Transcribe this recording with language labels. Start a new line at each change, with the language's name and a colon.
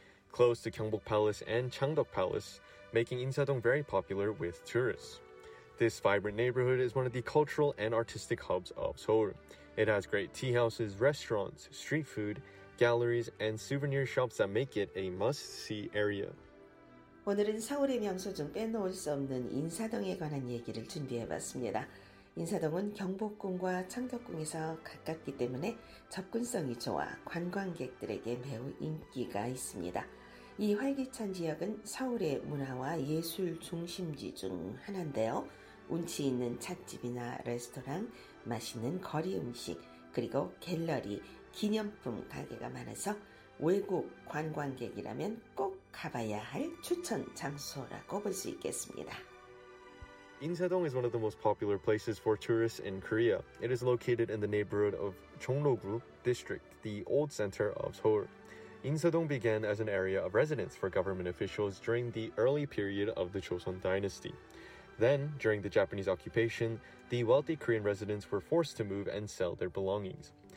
English: Close to Gyeongbok Palace and Changdeok Palace, making Insadong very popular with tourists. This vibrant neighborhood is one of the cultural and artistic hubs of Seoul. It has great tea houses, restaurants, street food, galleries, and souvenir shops that make it a must-see area.
Korean: 오늘은 서울의 명소 중 빼놓을 수 없는 인사동에 관한 얘기를 준비해봤습니다. 인사동은 경복궁과 창덕궁에서 가깝기 때문에 접근성이 좋아 관광객들에게 매우 인기가 있습니다. 이 활기찬 지역은 서울의 문화와 예술 중심지 중 하나인데요. 운치 있는 찻집이나 레스토랑, 맛있는 거리 음식, 그리고 갤러리, 기념품 가게가 많아서 외국 관광객이라면 꼭 가봐야 할 추천 장소라고 볼 수 있겠습니다.
English: Insadong is one of the most popular places for tourists in Korea. It is located in the neighborhood of Jongno-gu District, the old center of Seoul. Insadong began as an area of residence for government officials during the early period of the Joseon Dynasty. Then, during the Japanese occupation, the wealthy Korean residents were forced to move and sell their belongings.